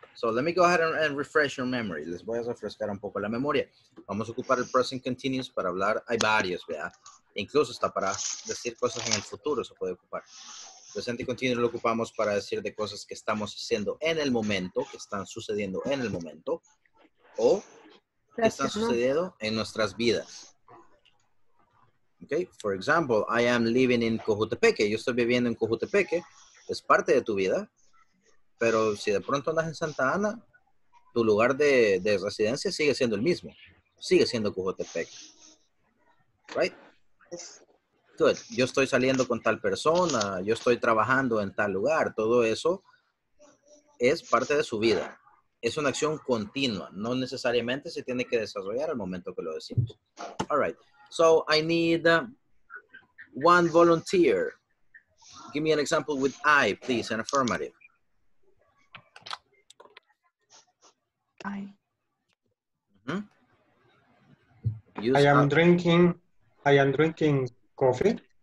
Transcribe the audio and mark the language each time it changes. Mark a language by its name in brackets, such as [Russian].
[English] So let me go ahead and refresh your memory. [Spanish] Les voy a refrescar un poco la memoria. Vamos a ocupar el present continuous para hablar. Hay varios, ¿vea? Incluso está para decir cosas en el futuro, se puede ocupar. Presente continuo lo ocupamos para decir de cosas que estamos haciendo en el momento, que están sucediendo en el momento, o que están sucediendo en nuestras vidas. [English] Okay? For example, I am living in Cojutepeque. [Spanish] Yo estoy viviendo en Cojutepeque. Es parte de tu vida. Pero si de pronto andas en Santa Ana, tu lugar de residencia sigue siendo el mismo. Sigue siendo Cojutepec. [English] Right? Good. [Spanish] Yo estoy saliendo con tal persona, yo estoy trabajando en tal lugar. Todo eso es parte de su vida. Es una acción continua. No necesariamente se tiene que desarrollar al momento que lo decimos. [English] All right. So, I need one volunteer. Give me an example with I, please, an affirmative. I am drinking coffee.